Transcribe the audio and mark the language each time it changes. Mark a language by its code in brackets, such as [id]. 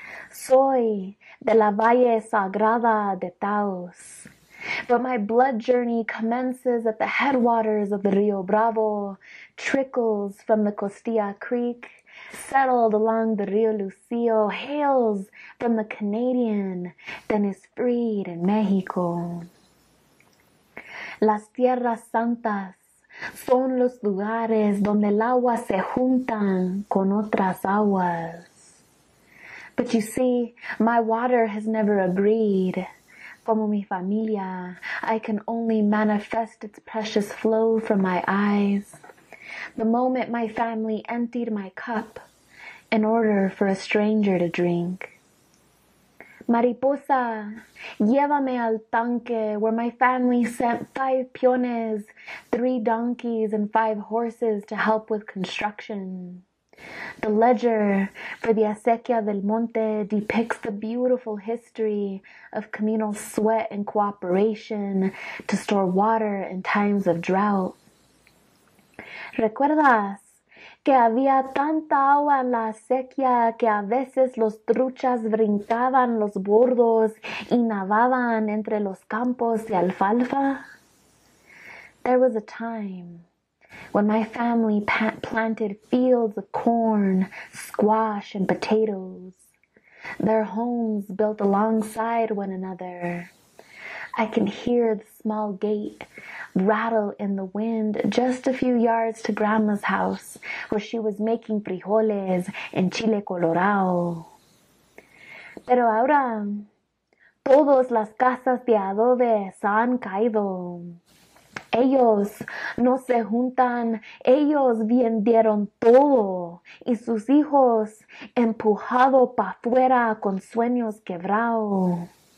[es] Soy de la Valle Sagrada de Taos, [en] but my blood journey commences at the headwaters of the Rio Bravo, trickles from the Costilla Creek, settled along the Rio Lucio, hails from the Canadian, then is freed in Mexico. [es] Las tierras santas son los lugares donde el agua se juntan con otras aguas. [en] But you see, my water has never agreed. [es] Como mi familia, [en] I can only manifest its precious flow from my eyes. The moment my family emptied my cup in order for a stranger to drink. [es] Mariposa, llévame al tanque [en] where my family sent 5 piones, 3 donkeys, and 5 horses to help with construction. The ledger for the Acequia del Monte depicts the beautiful history of communal sweat and cooperation to store water in times of drought. [es] ¿Recuerdas que había tanta agua en la acequia que a veces los truchas brincaban los bordos y nadaban entre los campos de alfalfa? [en] There was a time when my family planted fields of corn, squash, and potatoes, their homes built alongside one another. I can hear the small gate rattle in the wind just a few yards to Grandma's house where she was making frijoles and chile colorado. [es] Pero ahora, todas las casas de adobe se han caído. Ellos no se juntan, ellos vendieron todo y sus hijos empujado pa' fuera con sueños quebrados.